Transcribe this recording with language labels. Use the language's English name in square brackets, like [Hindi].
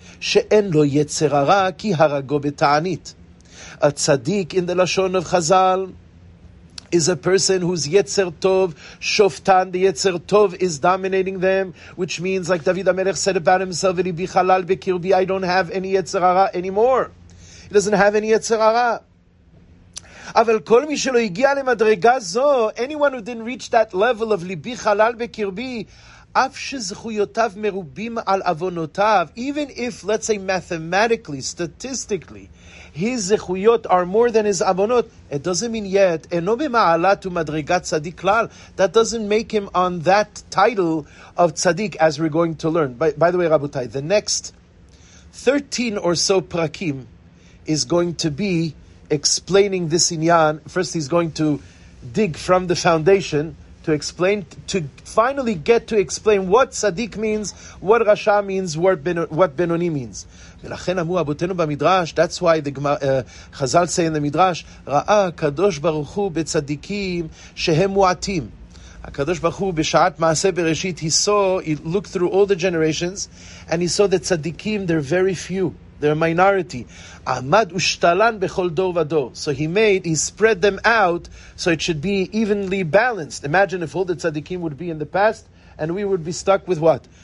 [Hebrew] שאין לו יצר הרע כי הרגו בתענית. [English] A tzaddik in the lashon of Chazal is a person whose yetzer tov shoftan, the yetzer tov is dominating them, which means, like David HaMelech said about himself, [Hebrew] "Libi chalal bekirbi, [English] I don't have any yetzer hara anymore." He doesn't have any yetzer hara. [Hebrew] Aval kol mi shelo higi ale madrega zo, [English] anyone who didn't reach that level of libi chalal bekirbi, [Hebrew] af shezchuyotav merubim al avonotav, [English] even if, let's say, mathematically, statistically, his zechuyot are more than his avonot, it doesn't mean yet, [Hebrew] eno b'ma'ala tu madrigat tzaddik klal, [English] that doesn't make him on that title of tzaddik, as we're going to learn. By the way, Rabotai, the next 13 or so prakim is going to be explaining this inyan. First, he's going to dig from the foundation to explain, to finally get to explain what tzaddik means, what rasha means, what benoni means. [Hebrew] ולכן אמרו אבותינו במדרש, [English] that's why the Chazal say in the Midrash, [Hebrew] ראה הקדוש ברוך הוא בצדיקים שהם מועטים. הקדוש ברוך הוא בשעת מעשה בראשית, [English] he looked through all the generations, and he saw the צדיקים, they're very few, they're a minority. [Hebrew] עמד ושתלן בכל דור ודור. [English] So he spread them out, so it should be evenly balanced. Imagine if all the צדיקים would be in the past, and we would be stuck with what?